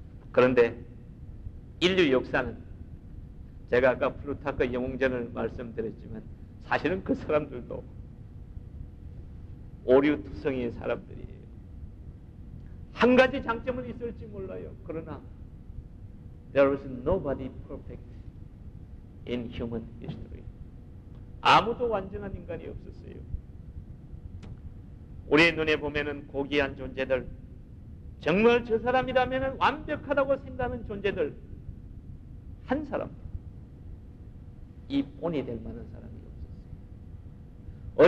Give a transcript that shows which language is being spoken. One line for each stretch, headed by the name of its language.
Korean: 그런데 인류 역사는 제가 아까 플루타크 영웅전을 말씀드렸지만 사실은 그 사람들도 오류투성이의 사람들이에요. 한 가지 장점은 있을지 몰라요. 그러나
English: There is nobody perfect in human history.
Korean: 아무도 완전한 인간이 없었어요. 우리의 눈에 보면은 고귀한 존재들 정말 저 사람이라면 완벽하다고 생각하는 존재들 한 사람 이 본이 될 만한 사람이 없었어요.